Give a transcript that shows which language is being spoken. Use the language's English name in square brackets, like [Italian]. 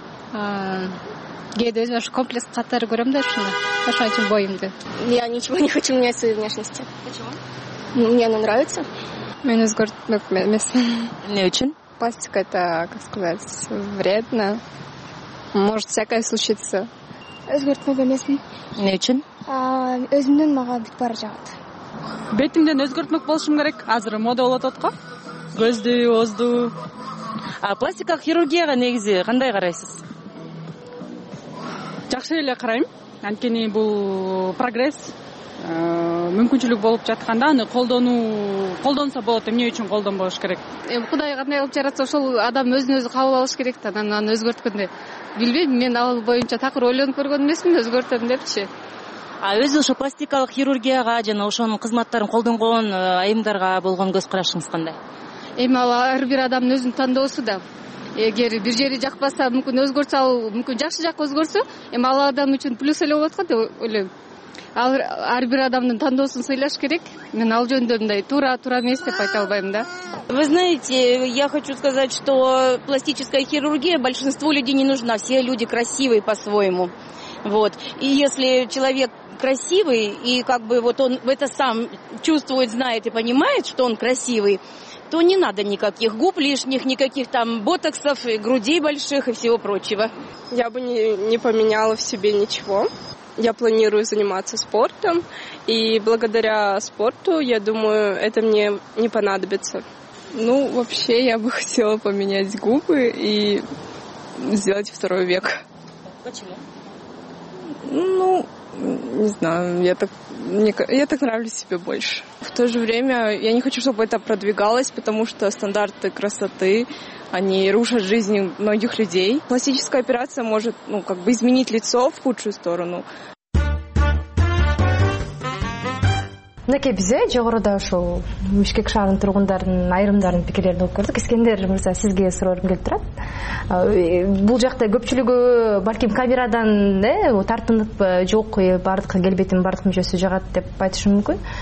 [Kyrgyz] Кээде өзүмө ошо комплекс катары көрөм да ушуну. Ошон үчүн боюмду. [Russian] Я ничего не хочу менять своей внешности. Почему? Мне она нравится. [Kyrgyz] Мен өзгөртмөк эмесмин. Эмне үчүн? [Russian] Пластика это, как сказать, вредно. Может всякое случиться. [Kyrgyz] Өзгөртмөк эмесмин. Эмне үчүн? Өзүмдөн мага бүт бары жагат. Бетимден өзгөртмөк болушум керек. Азыр мода болуп атат го. Көздү, оозду. Пластика хирургияга негизи кандай карайсыз? Жакшы эле карайм. Анткени бул прогресс, мүмкүнчүлүк болуп жатканда аны колдонсо болот. Эмне үчүн колдонбош керек? Кудай кандай кылып жаратса, ошол адам өзүн өзү кабыл алыш керек да. Анан аны өзгөрткөндө билбейм, мен ал боюнча такыр ойлонуп көргөн эмесмин, өзгөртөм депчи. Өзү ошо пластикалык хирургияга жана ошонун кызматтарын колдонгон айымдарга болгон көз карашыңыз кандай? Эми ал ар бир адамдын өзүнүн тандоосу да. Эгер бир жери жакпаса, мүмкүн өзгөрсө, ал мүмкүн жакшы жакка өзгөрсө, эми ал адам үчүн плюс эле болуп аткан деп ойлойм. Ал ар бир адамдын тандоосун сыйлаш керек. Мен ал жөнүндө мындай туура эмес деп айта албайм да. [Russian] Вы знаете, я хочу сказать, что пластическая хирургия большинству людей не нужна. Все люди красивые по-своему. Вот. И если человек красивый, и как бы вот он это сам чувствует, знает и понимает, что он красивый, то не надо никаких губ лишних, никаких там ботоксов, и грудей больших и всего прочего. Я бы не поменяла в себе ничего. Я планирую заниматься спортом, и благодаря спорту, я думаю, это мне не понадобится. Ну, вообще, я бы хотела поменять губы и сделать второй век. Почему? Ну, не знаю, я так нравлюсь себе больше. В то же время я не хочу, чтобы это продвигалось, потому что стандарты красоты, они рушат жизни многих людей. Пластическая операция может, ну, как бы изменить лицо в худшую сторону. [Kyrgyz] Мынакей бизе жогоруда ушул Бишкек шаарынын тургундарынын айрымдарынын пикирлерин угуп көрдүк. Искендер мырза, сизге суроорум келип турат. Бул жакта көпчүлүгү балким камерадан тартынып, жок, бардык келбетим, бардык мүчөсү жагат деп айтышы мүмкүн.